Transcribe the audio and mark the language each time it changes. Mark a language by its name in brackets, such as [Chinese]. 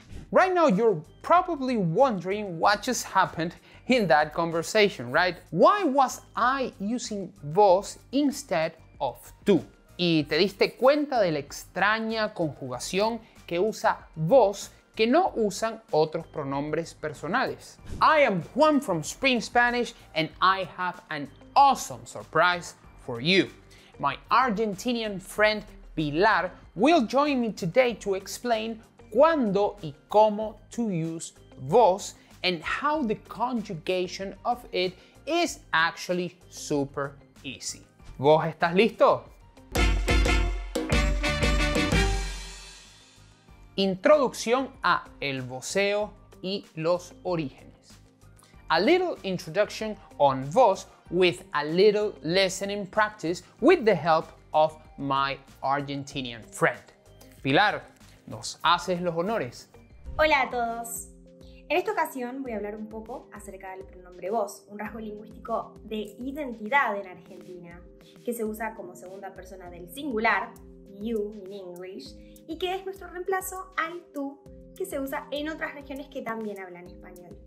[English] Right now, you're probably wondering what just happened in that conversation, right? Why was I using vos instead of tú? [Spanish] ¿Y te diste cuenta de la extraña conjugación que usa vos que no usan otros pronombres personales? [English] I am Juan from Spring Spanish and I have an awesome surprise for you. My Argentinian friend Pilar will join me today to explain [Spanish] cuándo y cómo [English] to use vos and how the conjugation of it is actually super easy. [Spanish] ¿Vos estás listo? Introducción a el voseo y los orígenes. [English] A little introduction on vos with a little listening practice with the help of my Argentinian friend. [Spanish] Pilar, nos haces los honores. Hola a todos. En esta ocasión voy a hablar un poco acerca del pronombre vos, un rasgo lingüístico de identidad en Argentina, que se usa como segunda persona del singular, [English] you in English, [Spanish] y que es nuestro reemplazo al tú, que se usa en otras regiones que también hablan español.